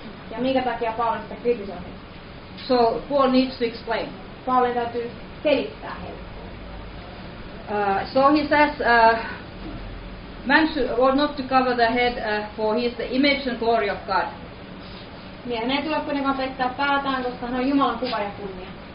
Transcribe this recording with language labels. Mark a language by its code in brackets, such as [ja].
[fi] Ja minkä takia Paul sitä kritisoi? [en] So Paul needs to explain. [fi] Paul täytyy selittää heille. [en] So he says, man should or not to cover the head, for he is the image and glory of God. [fi] Miehen ei tule kuitenkaan peittää päätään, koska hän on Jumalan kuva ja kunnia.